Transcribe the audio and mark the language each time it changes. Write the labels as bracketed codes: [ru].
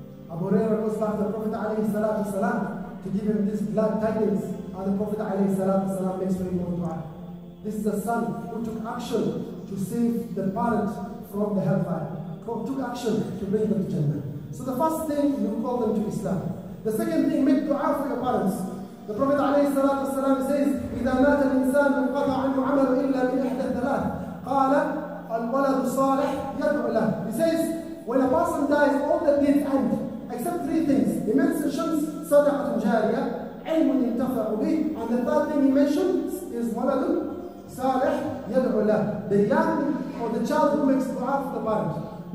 [en] Abu Huraira goes back to the Prophet والسلام, to give him this glad tidings, and the Prophet والسلام, makes for him more dua. This is a son who took action to save the parent from the hellfire, who took action to bring them to Jannah. So the first thing, you call them to Islam. The second thing, make dua for your parents. The Prophet والسلام, says, [ar] إِذَا مَاتَ الْإِنسَانُ قَضَى عَنْهُ عَمَلُ إِلَّا بِإِحْدَى الثَّلَاثِ قَالَ الْوَلَدُ صَالِحٌ يَدْعُ لَهُ. [en] He says, when a person dies, all the deeds end. Except three things. He mentions shams, [ar] sadaqatun jariya, ilmun yintafa'u bih, [en] and the third thing he mentions is [ar] waladun salih yad'u lah. [en] The young or the child who makes dua for the parent.